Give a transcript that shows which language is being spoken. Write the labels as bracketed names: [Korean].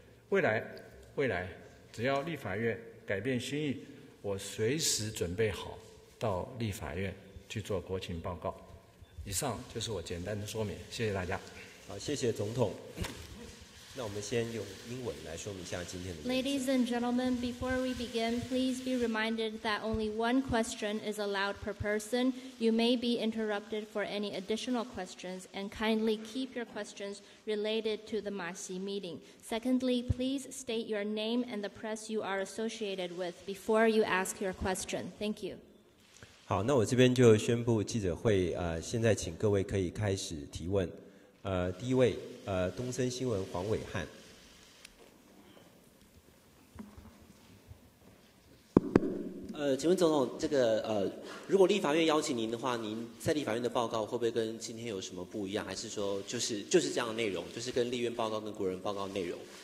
[Chinese] 未来只要立法院改变心意，我随时准备好到立法院去做国情报告。以上就是我简单的说明，谢谢大家。好，谢谢总统。那我们先用英文来说明一下今天的。 [English] Ladies and gentlemen, before we begin, please be reminded that only one question is allowed per person. You may be interrupted for any additional questions, and kindly keep your questions related to the 马习 meeting. Secondly, please state your name and the press you are associated with before you ask your question. Thank you. [Chinese] 好，那我这边就宣布记者会。现在请各位可以开始提问。第一位，东森新闻黄伟汉。请问总统，这个如果立法院邀请您的话，您在立法院的报告会不会跟今天有什么不一样？还是说就是这样的内容，就是跟立院报告跟国人报告内容？